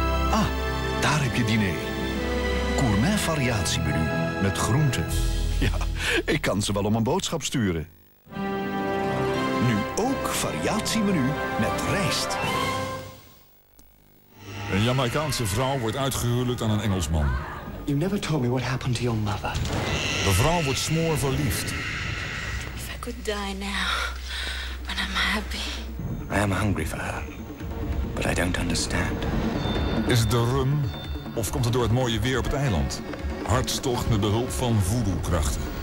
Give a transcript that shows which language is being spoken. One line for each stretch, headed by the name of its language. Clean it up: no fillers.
Dutch: Ah, daar heb je diner. Gourmet variatiemenu met groenten. Ja, ik kan ze wel om een boodschap sturen. Nu ook variatiemenu met rijst. Een Jamaicaanse vrouw wordt uitgehuwelijkd aan een Engelsman.
English: You never told me what happened to your mother.
Dutch: De vrouw wordt smoor verliefd.
English: If I could die now, when I'm happy. I am hungry for her, but I don't understand.
Dutch: Is het de rum of komt het door het mooie weer op het eiland? Hartstocht met behulp van voodoo-krachten.